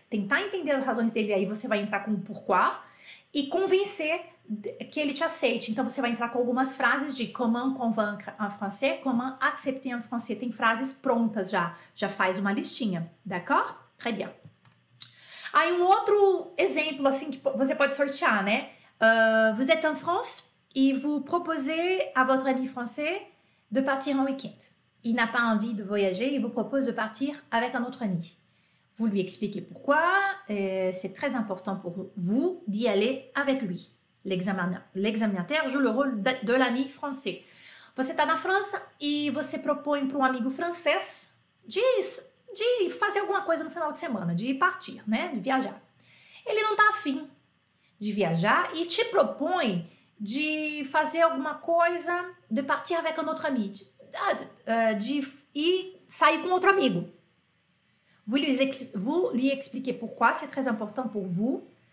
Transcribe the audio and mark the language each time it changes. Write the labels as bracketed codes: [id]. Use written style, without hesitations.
[pt] Tentar entender as razões dele, aí você vai entrar com o porquê e convencer que ele te aceite. Então você vai entrar com algumas frases de [fr] comment convaincre en français, [pt] comment accepter en français. Tem frases prontas já. Já faz uma listinha. [fr] D'accord? Très bien. [pt] Aí um outro exemplo, assim, que você pode sortear, né? [fr] Vous êtes en France et vous proposez à votre ami français de partir en week-end. Il n'a pas envie de voyager, il vous propose de partir avec un autre ami. Vous lui expliquez pourquoi, c'est très important pour vous d'y aller avec lui. L'examinateur joue le rôle de l'ami français. [pt] Você está na França e você propõe para um amigo francês de fazer alguma coisa no final de semana, de partir, né, de viajar. Ele não está a fim de viajar e te propõe de fazer alguma coisa, de partir [fr] avec un autre ami, [pt] de ir sair com outro amigo. [fr] Vou lhe expliquer pourquoi, c'est très important pour vous.